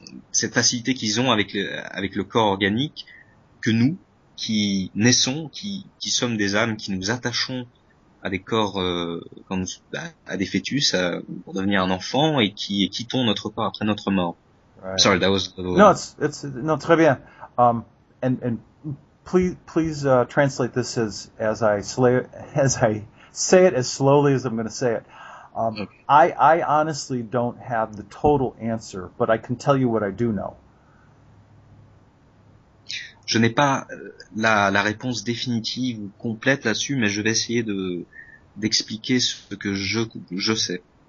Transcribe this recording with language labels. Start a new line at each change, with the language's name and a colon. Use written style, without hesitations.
French: Cette facilité qu'ils ont avec le corps organique, que nous qui naissons, qui sommes des âmes, qui nous attachons à des corps, à des fœtus, pour devenir un enfant, et qui quittons notre corps après notre mort.
English: Right. Sorry, that was
French: non, très bien.
English: And please translate this as I say it as slowly as I'm going to say it. I honestly don't have the total answer, but I can tell you what I do know.
French: Je n'ai pas la réponse définitive ou complète là-dessus, mais je vais essayer d'expliquer ce que je sais.